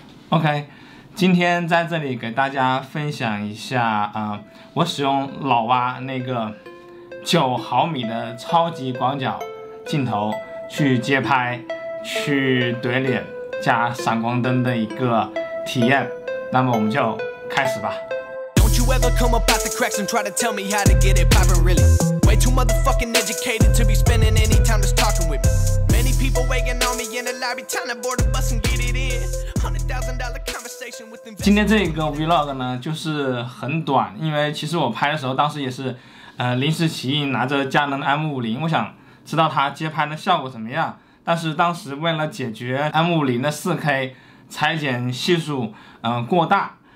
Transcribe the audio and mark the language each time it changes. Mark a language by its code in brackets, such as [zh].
[zh] OK， 今天在这里给大家分享一下，我使用老蛙那个9毫米的超级广角镜头去街拍、去怼脸加闪光灯的一个体验。那么我们就开始吧。 [en] You ever come up out the cracks and try to tell me how to get it poppin' really? Way too motherfucking educated to be spending any time just talking with me. Many people waiting on me in the lobby, trying to board a bus and get it in. $100,000 conversation with them. [zh] 今天这个 vlog 呢，就是很短，因为其实我拍的时候，当时也是，临时起意拿着佳能 M50， 我想知道它街拍的效果怎么样。但是当时为了解决 M50 的 4K 裁剪系数，过大。